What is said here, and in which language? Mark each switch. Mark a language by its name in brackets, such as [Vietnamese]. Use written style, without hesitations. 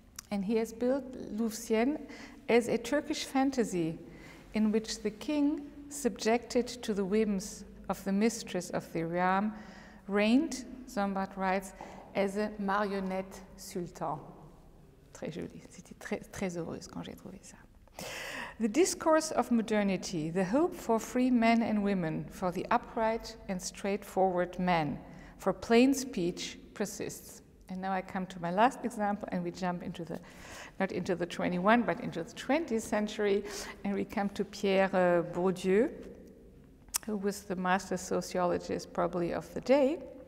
[English] And he has built Louvain as a Turkish fantasy in which the king, subjected to the whims of the mistress of the realm, reigned, Sombart writes, as a marionette sultan. [French] Très joli. C'était très, très heureuse quand j'ai trouvé ça. [English] The discourse of modernity, the hope for free men and women, for the upright and straightforward men, for plain speech, persists. And now I come to my last example, and we jump into the, not into the 21, but into the 20th century, and we come to Pierre Bourdieu, who was the master sociologist probably of the day.